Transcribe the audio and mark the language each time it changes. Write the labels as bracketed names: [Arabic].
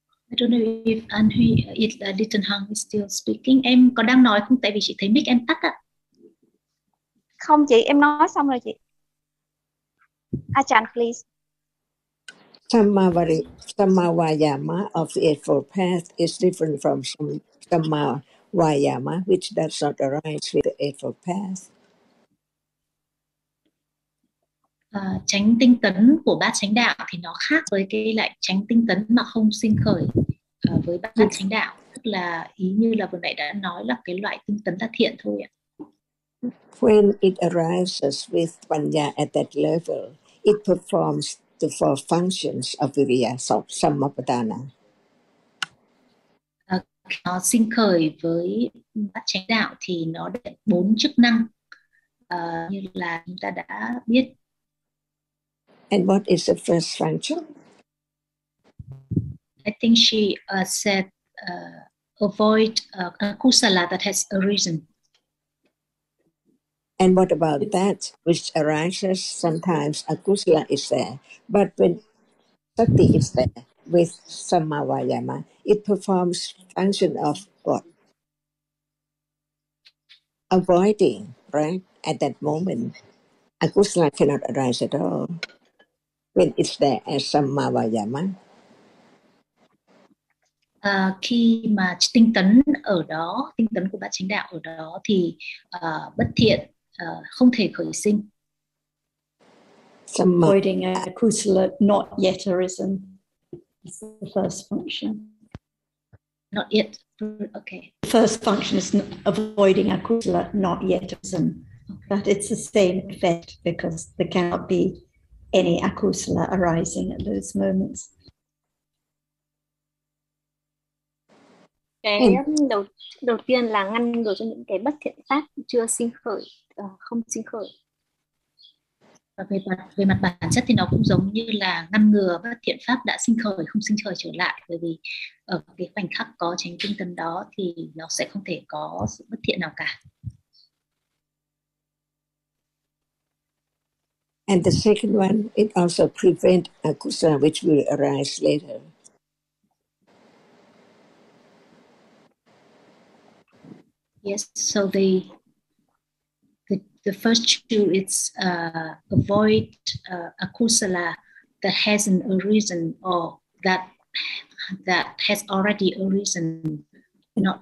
[English] I don't know if Anh Huy, if Little Hằng is still speaking. [Vietnamese] Em có đang nói không? Tại vì chị thấy mic em tắt ạ. Không chị, em nói xong rồi chị. [English] Achan, please. Sammavayama of the Eightfold Path is different from Sammavayama, which does not arise with the Eightfold Path. [Vietnamese] Chánh tinh tấn của bát chánh đạo thì nó khác với cái lại chánh tinh tấn mà không sinh khởi với bát chánh đạo, tức là ý như là vừa nãy đã nói là cái loại tinh tấn là thiện thôi ạ. [English] When it arises with Panya at that level, it performs the four functions of Viriya, so Sammapadana. [Vietnamese] Nó sinh khởi với bát chánh đạo thì nó đạt bốn chức năng như là chúng ta đã biết. [English] And what is the first function? I think she said avoid kusala that has arisen. And what about that which arises? Sometimes akusala is there, but when sati is there with sammavayama, it performs function of what? Avoiding, right? At that moment, akusala cannot arise at all. When it's there as sammavayama. [Vietnamese] Khi mà tinh tấn ở đó, tinh tấn của bát chánh đạo ở đó thì bất thiện không thể khởi sinh. [English] Avoiding a kusala not yet arisen is the first function. Not yet, okay. The first function is avoiding a kusala not yet arisen. Okay. But it's the same effect because there cannot be any akusala arising at those moments. [Vietnamese] Cái đầu tiên là ngăn ngừa cho những cái bất thiện pháp chưa sinh khởi, không sinh khởi. Và về mặt bản chất thì nó cũng giống như là ngăn ngừa bất thiện pháp đã sinh khởi, không sinh khởi trở lại. Bởi vì ở cái khoảnh khắc có chánh tinh tấn đó thì nó sẽ không thể có sự bất thiện nào cả. [English] And the second one, it also prevents akusala which will arise later. Yes, so the first two is avoid akusala that hasn't arisen or that has already arisen, not